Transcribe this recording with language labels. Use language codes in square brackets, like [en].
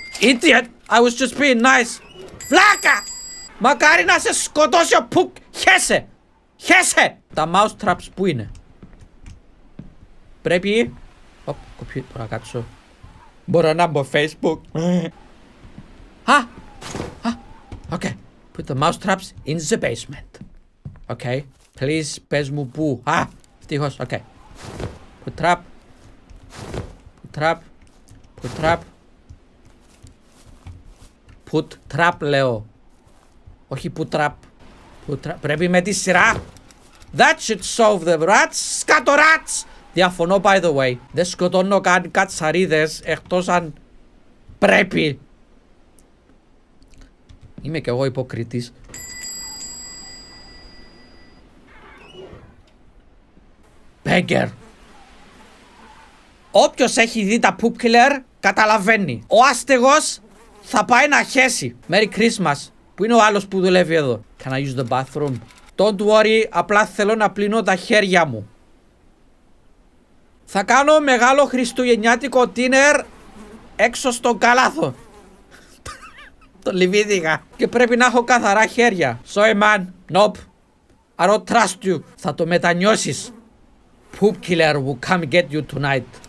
[en] Idiot! I was just being nice! [el] Βλάκα! Μακάρι να σε σκοτώσει ο Πουκ! Χέσε! Χέσε! Τα mouse traps που είναι? Πρέπει... Οπ, κοπιού, μπορώ να κάτσω. Μπορώ να μπω Facebook. Α! Α! Οκ. [en] Put the mouse traps in the basement. Οκ. [el] Please, πες μου πού. [en] Α! Φτυχώς, οκ. Put trap. Put trap. Put trap. Put trap, λέω. Όχι put trap. Put trap. [el] Πρέπει με τη σειρά. [en] That should solve the rats. Σκάτω rats. Διαφωνώ, by the way. [el] Δεν σκοτώνω καν κατσαρίδες εκτός αν πρέπει. Είμαι κι εγώ υποκριτής. [en] Beggar. [el] Όποιος έχει δει τα poop killer, καταλαβαίνει. Ο άστεγος θα πάει να χέσει. [en] Merry Christmas. [el] Πού είναι ο άλλος που δουλεύει εδώ? [en] Can I use the bathroom? Don't worry, [el] απλά θέλω να πλύνω τα χέρια μου. Θα κάνω μεγάλο χριστουγεννιάτικο dinner έξω στον καλάθο. Το λιβίδιγα. Και πρέπει να έχω καθαρά χέρια. [en] Sorry man, nope. I don't trust you. [el] Θα το μετανιώσεις. [en] Poop killer will come get you tonight.